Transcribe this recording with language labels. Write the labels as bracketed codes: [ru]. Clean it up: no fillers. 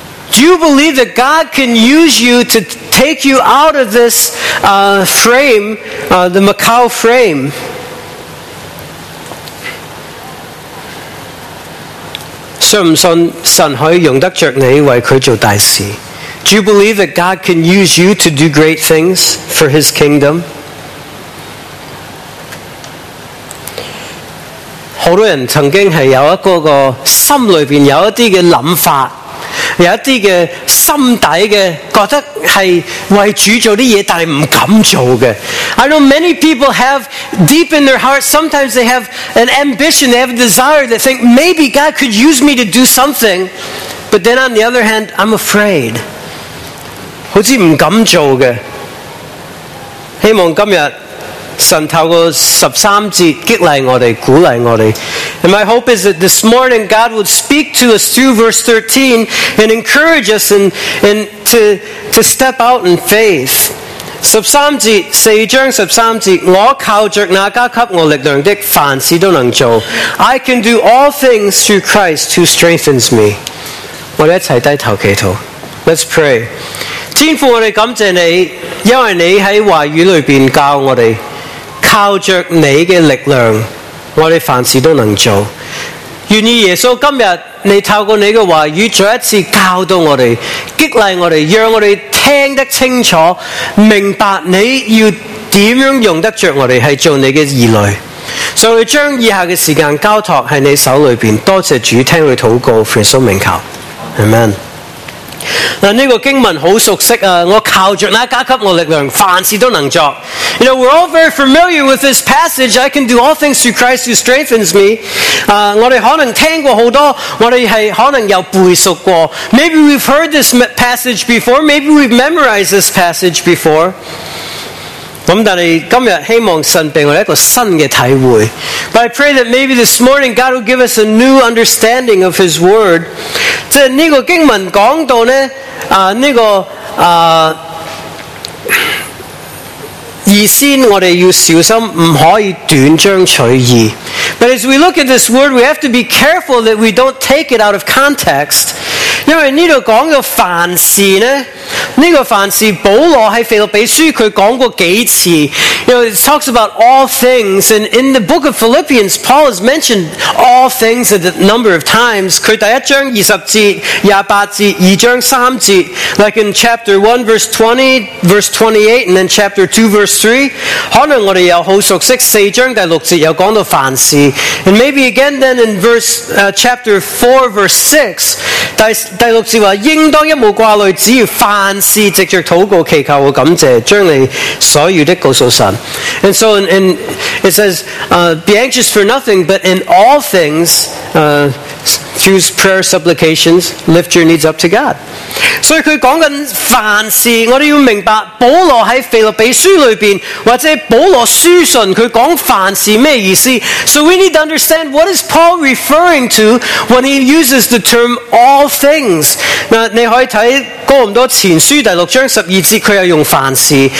[en] Do you believe that God can use you to take you out of this frame, the Macau frame? [zh] 相不信神可以用得着你为祂做大事? [en] Do you believe that God can use you to do great things for His kingdom? [zh] 很多人曾经是有一个心里面有一些想法，有一些心底的觉得是为主做的事，但是不敢做的。 [en] I know many people have deep in their heart, sometimes they have an ambition, they have a desire, they think maybe God could use me to do something, but then on the other hand, I'm afraid. [zh] 好像不敢做的。希望今天神透过十三节激励我们，鼓励我们。 [en] And my hope is that this morning God would speak to us through verse 13 and encourage us to step out in faith. [zh] 十三节，四章十三节，我靠着那加给我力量的，凡事都能做。 [en] I can do all things through Christ who strengthens me. [zh] 我们一起低头祈祷。 [en] Let's pray. [zh] 天父，我们感谢你，因为你在话语里面教我们靠着你的力量，我们凡事都能做。愿意耶稣今天你透过你的话语再一次教导我们，激励我们，让我们听得清楚，明白你要怎样用得着我们是做你的儿女。所以我们将以下的时间交托在你手里面，多谢主听我们祷告，奉耶稣名求， Amen。这个经文很熟悉，我靠着那加给我力量，凡事都能做。 [en] You know, we're all very familiar with this passage. I can do all things through Christ who strengthens me. [zh] 我们可能听过很多，我们是可能有背熟过。 [en] Maybe we've heard this passage before. Maybe we've memorized this passage before. [zh] 但是今天希望神给我们一个新的体会。 [en] But I pray that maybe this morning God will give us a new understanding of His Word. [zh] 这个经文讲到呢，这个意思我们要小心，不可以断章取义。 [en] But as we look at this word, we have to be careful that we don't take it out of context. [zh] 因为这里讲的凡事呢，这个凡事保罗在腓立比书他讲过几次， [en] you know, it talks about all things, and in the book of Philippians, Paul has mentioned all things a number of times. [zh] 他第一章二十节、廿八节、二章三节， [en] like in chapter 1 verse 20, verse 28, and then chapter 2 verse 3. [zh] 可能我们有好熟悉四章第六节又讲到凡事， [en] and maybe again then in chapter 4 verse 6, [zh] 第六节说应当一无挂虑，只要凡事藉着祷告祈求和感谢将你所欲的告诉神。 [en] And so in it says, be anxious for nothing, but in all things, through prayer supplications, lift your needs up to God. [zh] 所以他说的凡事，我们要明白保罗在腓立比书里面，或者保罗书信他说凡事什么意思。 [en] So we need to understand what is Paul referring to when he uses the term all things. [zh] 那你可以看哥林多前书第六章十二节，他又用凡事。